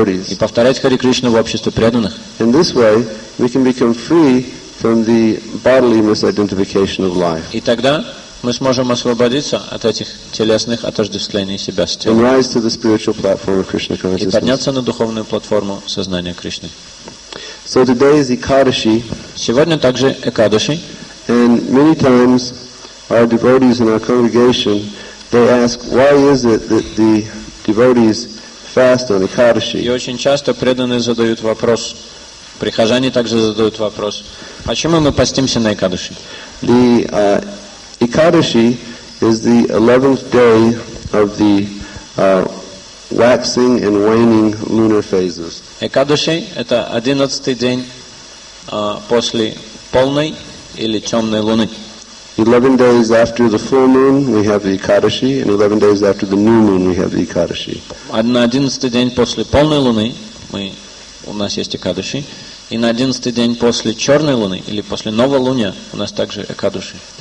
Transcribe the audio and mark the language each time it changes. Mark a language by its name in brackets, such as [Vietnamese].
[Russian] и повторять Хари Кришну в обществе преданных. [English] In this way, we can become free from the bodily misidentification of life. [Russian] И тогда мы сможем освободиться от этих телесных отождествлений себя с телом. [English] And rise to the spiritual platform of Krishna consciousness. [Russian] И подняться на духовную платформу сознания Кришны. [English] So today is Ekadashi. [Russian] Сегодня также Экадаши. [English] And many times our devotees in our congregation, they ask, why is it that the devotees fast on Ekadashi? [Russian] И очень часто преданные задают вопрос. Прихожане также задают вопрос, почему мы постимся на Экадаши? [English] The Ekadashi is the 11th day of the waxing and waning lunar phases. [Russian] Экадаши — это 11th день после полной или темной луны. [English] 11 days after the full moon we have the Ekadashi, and 11 days after the new moon we have the Ekadashi. [Russian] 11th день после полной луны у нас есть Экадаши. И на 11-й день после черной луны или после новолуния у нас также Экадаши.